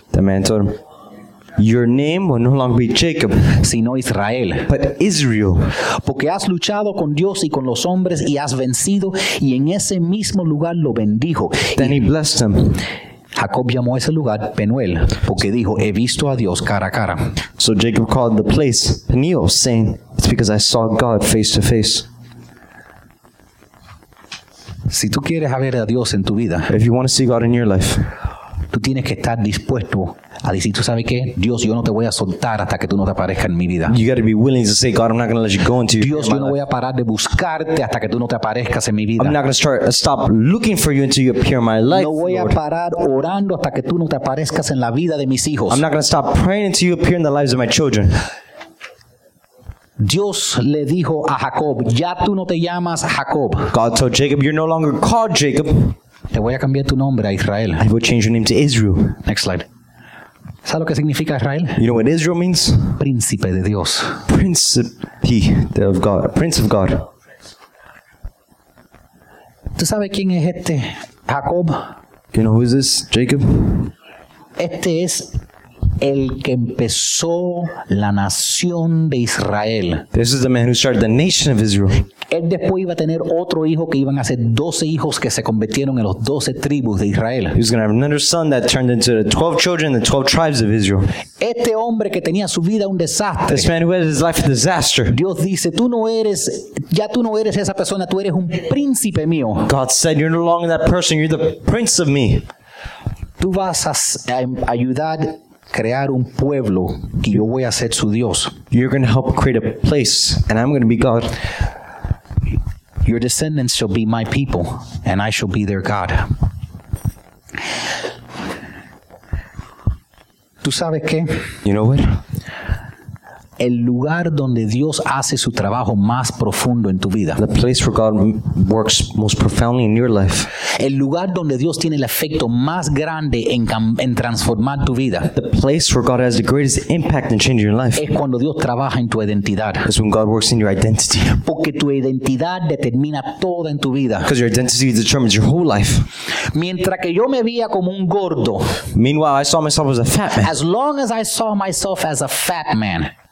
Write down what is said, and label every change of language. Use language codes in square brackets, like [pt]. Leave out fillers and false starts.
[en] The man told him, your name will no longer be Jacob, [es] sino Israel. [en] But Israel, [es] porque has luchado con Dios y con los hombres y has vencido, y en ese mismo lugar lo bendijo. [en] Then he blessed him. [es] Jacob llamó ese lugar Penuel, porque dijo, he visto a Dios cara a cara. [en] So Jacob called the place Peniel, saying, it's because I saw God face to face. [es] Si tú quieres ver a Dios en tu vida, [en] if you want to see God in your life, [es] tú tienes que estar dispuesto a decir, tú sabes qué, Dios, yo no te voy a soltar hasta que tú no te aparezcas en mi vida. [en] You got to be willing to say, God, I'm not going to let you go into your [es] Dios, yo no voy a parar de buscarte hasta que tú no te aparezcas en mi vida. [en] I'm not going to stop looking for you until you appear in my life. [es] No voy [en] Lord. [es] A parar orando hasta que tú no te aparezcas en la vida de mis hijos. [en] I'm not going to stop praying until you appear in the lives of my children. [es] Dios le dijo a Jacob, ya tú no te llamas Jacob. [en] God told Jacob, you're no longer called Jacob. [es] Te voy a cambiar tu nombre a Israel. [en] I will change your name to Israel. Next slide. [es] ¿Sabes lo que significa Israel? [en] You know what Israel means? [es] Príncipe de Dios. Príncipe de Dios. [en] Prince of God. [es] ¿Tú sabes quién es este Jacob? [en] You know who is this? Jacob? [es] Este es el que empezó la nación de Israel. [en] This is the man who started the nation of Israel. [es] Él después iba a tener otro hijo que iban a ser 12 hijos que se convirtieron en los 12 tribus de Israel. [en] He was going to have another son that turned into the 12 children and the 12 tribes of Israel. [es] Este hombre que tenía su vida un desastre. [en] This man who had his life a disaster. [es] Dios dice, tú no eres, ya tú no eres esa persona, tú eres un príncipe mío. [en] God said, you're no longer that person, you're the prince of me. [es] Tú vas a ayudar crear un pueblo que yo voy a ser su Dios. [en] You're going to help create a place and I'm going to be God. Your descendants shall be my people and I shall be their God. [es] ¿Tú sabes qué? [en] You know what? [es] El lugar donde Dios hace su trabajo más profundo en tu vida. [en] The place where God works most profoundly in your life. [es] El lugar donde Dios tiene el efecto más grande en transformar tu vida. [en] The place where God has the greatest impact in changing your life. [es] Es cuando Dios trabaja en tu identidad. [en] It's when God works in your identity. [es] Porque tu identidad determina toda en tu vida. [en] Because your identity determines your whole life. [es] Mientras que yo me veía como un gordo. [en] Meanwhile, I saw myself as a fat man. As long as I saw myself as a fat man.